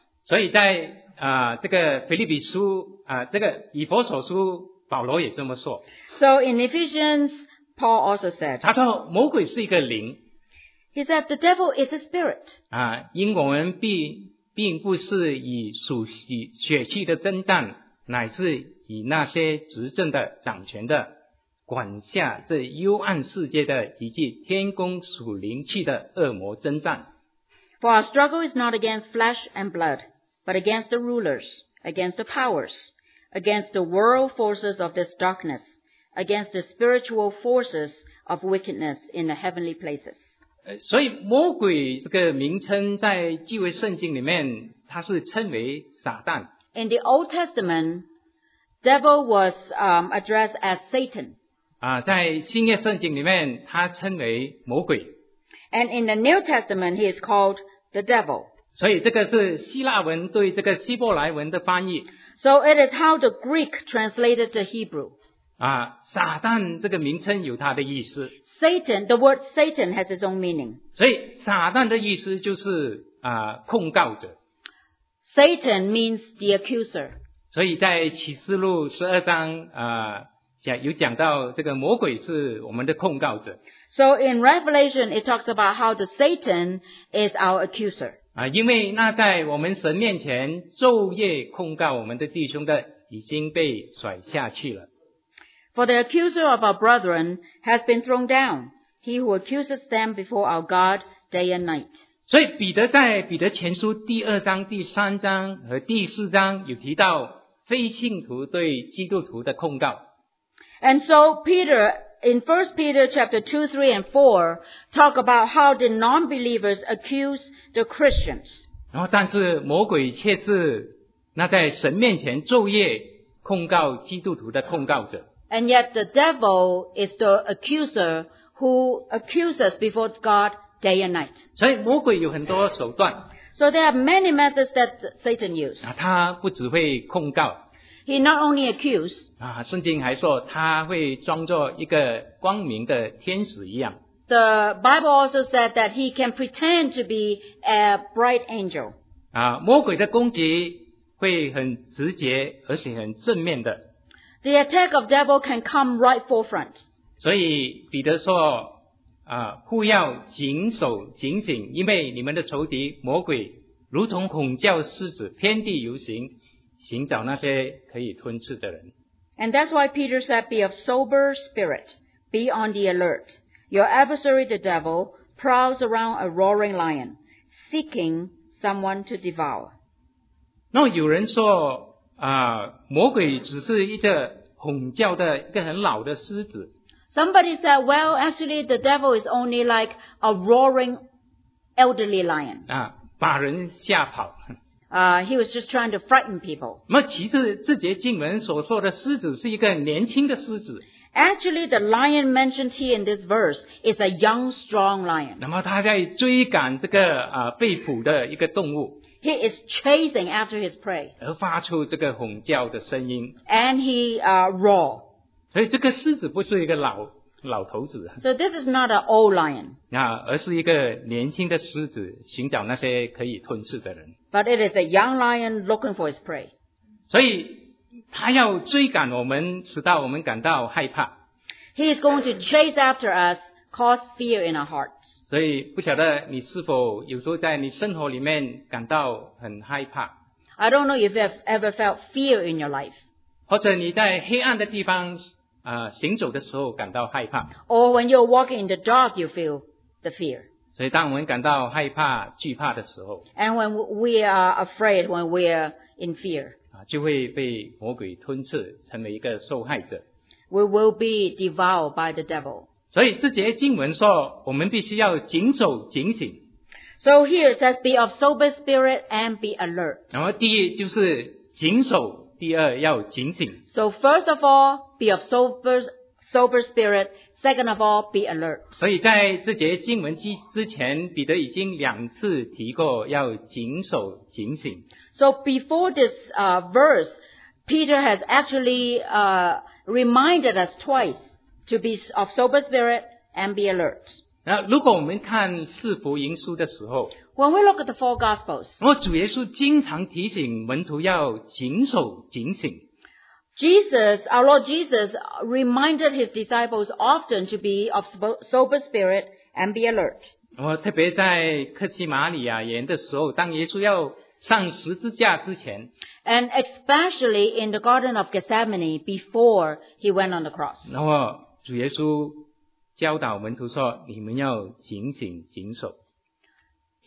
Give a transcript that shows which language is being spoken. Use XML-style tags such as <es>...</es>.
<zh>所以在这个腓立比书这个以弗所书。保罗也这么说。</zh> <en>So in Ephesians, Paul also said,</en> <zh>他说魔鬼是一个灵。</zh> <en>He said, the devil is a spirit.</en> <zh>因我们并不是以属血气的征战，乃是以那些执政的、掌权的、管辖这幽暗世界的以及天宫属灵气的恶魔征战。</zh> <en>For our struggle is not against flesh and blood, but against the rulers, against the powers. Against the world forces of this darkness, against the spiritual forces of wickedness in the heavenly places.</en> <zh>所以魔鬼这个名称在旧约圣经里面，它是称为撒旦。</zh> <en>In the Old Testament, devil was addressed as Satan.</en> <zh>在新约圣经里面，它称为魔鬼。</zh> <en>And in the New Testament, he is called the devil.</en> <zh>所以这个是希腊文对这个希伯来文的翻译。</zh> <en>So it is how the Greek translated the Hebrew.</en> <zh>撒旦这个名称有它的意思。</zh> <en>Satan, the word Satan has its own meaning.</en> <zh>所以撒旦的意思就是控告者。</zh> <en>Satan means the accuser.</en> <zh>所以在启示录12章有讲到这个魔鬼是我们的控告者。</zh> <en>So in Revelation, it talks about how the Satan is our accuser.</en> <zh>因为那在我们神面前昼夜控告我们的弟兄的已经被甩下去了。</zh> <en>For the accuser of our brethren has been thrown down, he who accuses them before our God day and night.</en> <zh>所以彼得在彼得前书第二章、第三章和第四章有提到非信徒对基督徒的控告。</zh> <en>And so Peter... In 1 Peter chapter 2, 3, and 4, talk about how the non-believers accuse the Christians.</en> <zh>但是魔鬼却是那在神面前昼夜控告基督徒的控告者。</zh> <en>And yet the devil is the accuser who accuses before God day and night.</en> <zh>所以魔鬼有很多手段。</zh> <en>So there are many methods that Satan used.</en> <zh>他不只会控告。</zh> <en>He not only accused,</en> <zh>圣经还说他会装作一个光明的天使一样。</zh> <en>The Bible also said that he can pretend to be a bright angel.</en> <zh>魔鬼的攻击会很直接而且很正面的。</zh> <en>The attack of devil can come right forefront.</en> <zh>所以彼得说互要谨守警醒，因为你们的仇敌魔鬼如同吼叫狮子遍地游行，寻找那些可以吞噬的人。</zh> <en>And that's why Peter said, be of sober spirit, be on the alert. Your adversary, the devil, prowls around a roaring lion, seeking someone to devour.</en> <zh>那有人说魔鬼只是一个吼叫的一个很老的狮子。</zh> <en>Somebody said, well, actually, the devil is only like a roaring elderly lion.</en> <zh>把人吓跑。</zh> <en>He was just trying to frighten people.</en> <zh>那其实这节经文所说的狮子是一个年轻的狮子。</zh> <en>Actually, the lion mentioned here in this verse is a young, strong lion.</en> <zh>那么他在追赶这个被捕的一个动物。</zh> <en>He is chasing after his prey.</en> <zh>而发出这个吼叫的声音。</zh> <en>And he roar.</en> <zh>所以这个狮子不是一个老头子。</zh> <en>So this is not an old lion.</en> <zh>而是一个年轻的狮子，寻找那些可以吞吃的人。</zh> <en>But it is a young lion looking for his prey.</en> <zh>所以他要追赶我们，使到我们感到害怕。</zh> <en>He is going to chase after us, cause fear in our hearts.</en> <zh>所以不晓得你是否有时候在你生活里面感到很害怕。</zh> <en>I don't know if you have ever felt fear in your life.</en> <zh>或者你在黑暗的地方行走的时候感到害怕。</zh> <en>Or when you're walking in the dark, you feel the fear.</en> <zh>所以当我们感到害怕、惧怕的时候。</zh> <en>And when we are afraid, when we are in fear.</en> <zh>就会被魔鬼吞噬，成为一个受害者。</zh> <en>We will be devoured by the devil.</en> <zh>所以这节经文说，我们必须要谨守警醒。</zh> <en>So here it says, be of sober spirit and be alert.</en> <zh>然后第一就是谨守，第二要警醒。</zh> <en>So first of all, be of sober spirit. Second of all, be alert.</en> <zh>所以在这节经文之前，彼得已经两次提过要谨守警醒。</zh> <en>So before this verse, Peter has actually reminded us twice to be of sober spirit and be alert.</en> <zh>那如果我们看四福音书的时候</zh> <en>，When we look at the four Gospels,</en> <zh>然后主耶稣经常提醒门徒要谨守警醒。</zh> <en>Jesus, our Lord Jesus, reminded his disciples often to be of sober spirit and be alert.</en> <zh>我特别在克西马里亚园的时候，当耶稣要上十字架之前</zh> <en>，and especially in the Garden of Gethsemane before he went on the cross.</en> <zh>然后主耶稣教导门徒说：“你们要警醒谨守。”</zh>